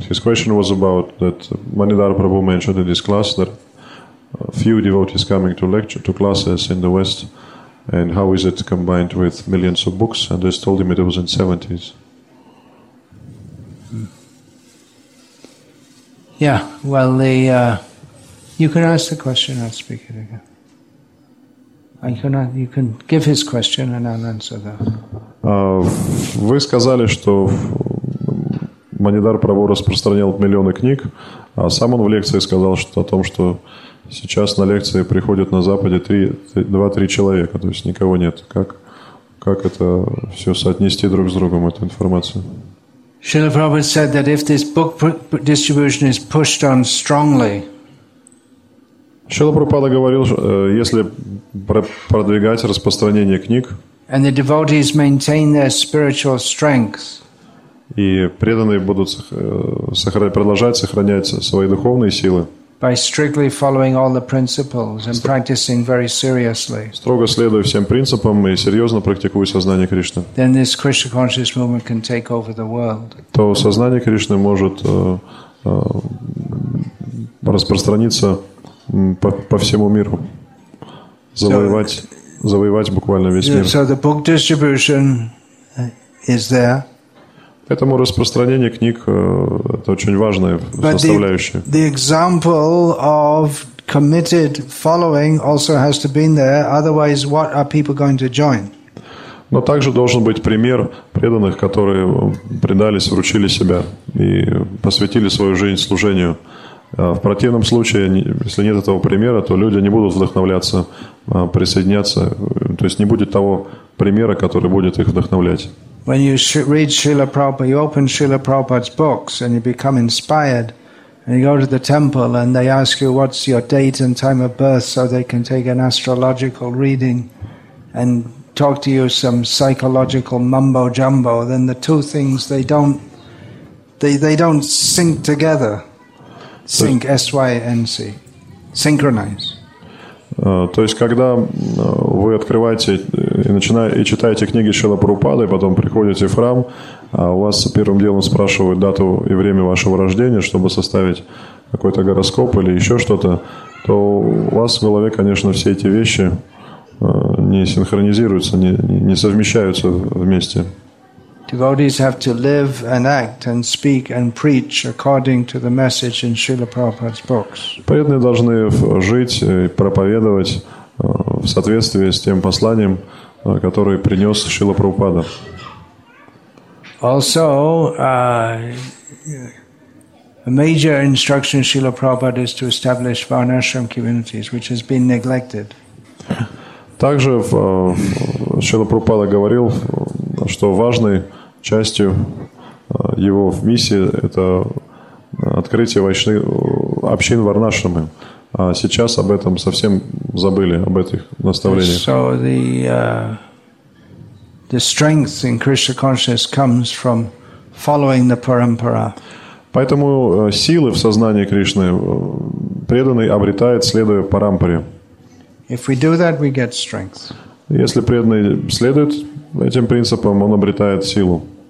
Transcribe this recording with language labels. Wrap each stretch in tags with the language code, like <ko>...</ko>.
<en>His question was about that Manidhara Prabhu mentioned in his class that few devotees coming to lecture to classes in the West, and how is it combined with millions of books? And they told him it was in 70s. Yeah. Well, the you can ask the question. I'll speak it again. You can give his question and I'll answer that.</en> <ru>Вы сказали, что Манидар Прабху распространял миллионы книг, а сам он в лекции сказал о том, что сейчас на лекции приходят на Западе 2-3 человека, то есть никого нет. Как это все соотнести друг с другом, эту информацию?</ru> <en>Srila Prabhupada said that if this book distribution is pushed on strongly,</en> <ru>Шрила Прабхупада говорил, если продвигать распространение книг,</ru> <en>and the devotees maintain their spiritual strength,</en> <ru>и преданные будут продолжать сохранять свои духовные силы,</ru> <en>by strictly following all the principles and practicing very seriously,</en> <ru>строго следуя всем принципам и серьезно практикуя сознание Кришны,</ru> <en>then this Krishna consciousness movement can take over the world.</en> <ru>То сознание Кришны может распространиться по всему миру, завоевать буквально весь мир.</ru> <en>So the book distribution is there.</en> <ru>Поэтому распространение книг – это очень важная составляющая.</ru> <en>The example of committed following also has to be there, otherwise what are people going to join?</en> <ru>Но также должен быть пример преданных, которые предались, вручили себя и посвятили свою жизнь служению. В противном случае, если нет этого примера, то люди не будут вдохновляться, присоединяться, то есть не будет того примера, который будет их вдохновлять.</ru> <en>When you read Srila Prabhupada, you open Srila Prabhupada's books and you become inspired and you go to the temple and they ask you what's your date and time of birth so they can take an astrological reading and talk to you some psychological mumbo jumbo, then the two things they don't sync together. Sync, S-Y-N-C. Synchronize.</en> <ru>То есть, когда вы открываете и читаете книги Шрилы Прабхупады, потом приходите в храм, а у вас первым делом спрашивают дату и время вашего рождения, чтобы составить какой-то гороскоп или еще что-то, то у вас в голове, конечно, все эти вещи не синхронизируются, не совмещаются вместе.</ru> <en>Devotees have to live and act and speak and preach according to the message in Srila Prabhupada's books.</en> <ru>Преданные должны жить и проповедовать в соответствии с тем посланием, которое принес Шрила Прабхупада.</ru> <en>Also, a major instruction Srila Prabhupada is to establish Varnashram communities, which has been neglected.</en> <ru>Также Шрила Прабхупада говорил, что важный частью его миссии это открытие общин варнашрамы. А сейчас об этом совсем забыли, об этих наставлениях.</ru> <en>So the strength in Krishna consciousness comes from following the parampara.</en> <ru>Поэтому силы в сознании Кришны преданный обретает, следуя парампаре.</ru> <en>If we do that, we get strength.</en> <ru>Если преданный следует этим принципам, он обретает силу.</ru>